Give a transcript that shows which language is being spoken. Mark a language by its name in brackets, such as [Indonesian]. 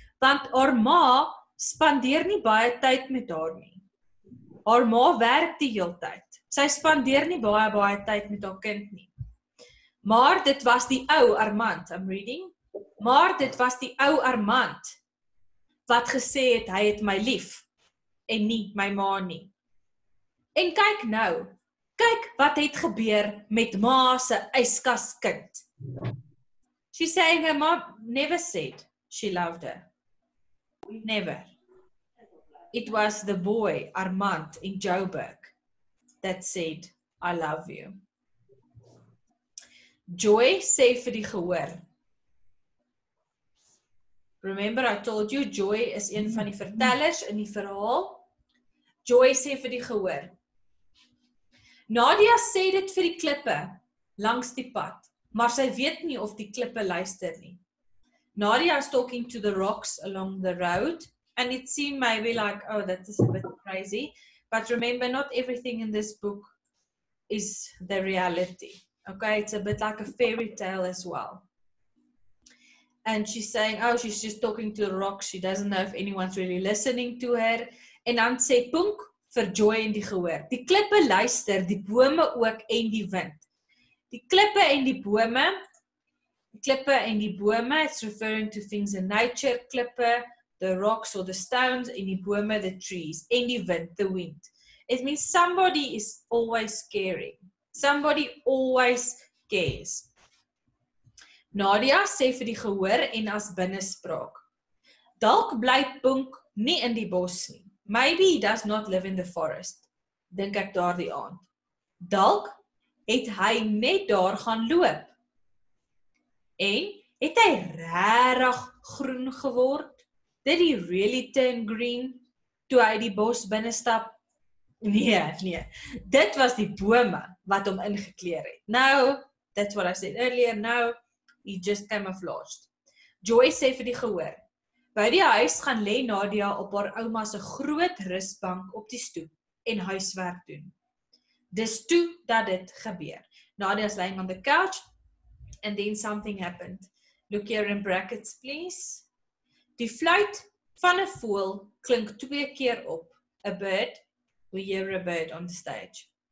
[Afrikaans] Want haar ma spandeer nie baie tyd met haar nie. Haar ma werk die heel tyd. Sy spandeer nie baie tyd met haar kind nie. Maar dit was die ou Armand, [English] I'm reading. [Afrikaans] Maar dit was die ou Armand wat gesê het, hy het my lief en nie my ma nie. En kyk nou, kyk wat het gebeur met ma se yskas kind. [English] She saying her mom never said she loved her. Never. It was the boy, Armand, in Joburg, that said, I love you. [Afrikaans] Joy sê vir die gehoor. [English] Remember, I told you, [Afrikaans] Joy is een van die vertellers in die verhaal. Joy sê vir die gehoor. Nadia sê dit vir die klippe, langs die pad, maar sy weet nie of die klippe luister nie. [English] Nadia is talking to the rocks along the road, and it seemed maybe like, oh, that is a bit crazy. But remember, not everything in this book is the reality. Okay, it's a bit like a fairy tale as well. And she's saying, oh, she's just talking to the rocks. She doesn't know if anyone's really listening to her. [Afrikaans] En dan sê Punk, vir Joy en die gehoor. Die klippe luister, die bome ook en die wind. Die klippe en die bome, [English] it's referring to things in nature, klippe, the rocks or the stones, in the boomer, the trees, in the wind, the wind. It means somebody is always caring. Somebody always cares. [Afrikaans] Nadia sê vir die gehoor en as binnenspraak. Dalk bly Punk nie in die bos nie. [English] Maybe he does not live in the forest, [Afrikaans] dink ek daar die aand. Dalk het hy net daar gaan loop. En het hy rarig groen geword? [English] Did he really turn green [Afrikaans] toe hy die bos binnenstap? Nee. Dit was die bome wat hom ingekleer het. [English] Now, that's what I said earlier, now he just camouflaged. [Afrikaans] Joy sê vir die gehoor, by die huis gaan lê Nadia op haar ouma se groot rusbank op die stoep en huiswerk doen. Dis toe dat dit gebeur. [English] Nadia is lying on the couch and then something happened. Look here in brackets, please. [Afrikaans] Die fluit van 'n voël klink twee keer op. [English] A bird, we hear a bird on the stage.